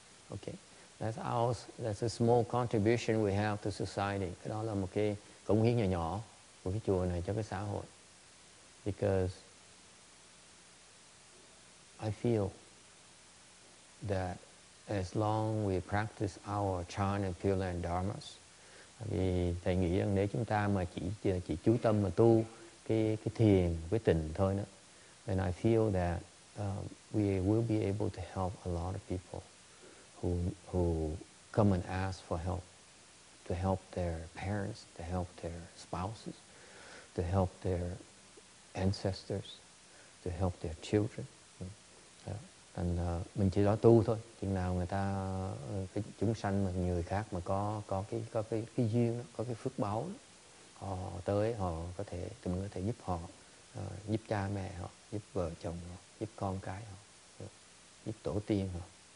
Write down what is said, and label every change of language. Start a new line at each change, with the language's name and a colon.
English: Okay, that's a small contribution we have to society.
Vietnamese: Cái đó là một cái cống hiến nhỏ nhỏ của cái chùa này cho cái xã hội.
English: Because I feel that as long we practice our chan and pure land dharmas,
Vietnamese: vì thầy nghĩ rằng nếu chúng ta mà chỉ chú tâm mà tu cái thiền với tịnh thôi đó,
English: then I feel that we will be able to help a lot of people who come and ask for help, to help their parents, to help their spouses, to help their ancestors, to help their children.
Vietnamese: Thành mình chỉ đó tu thôi, chừng nào người ta cái chúng sanh mà người khác mà có cái duyên đó, có cái phước báo đó, họ tới họ có thể thì mình có thể giúp họ, giúp cha mẹ họ, giúp vợ chồng họ, giúp con cái họ, giúp tổ tiên họ.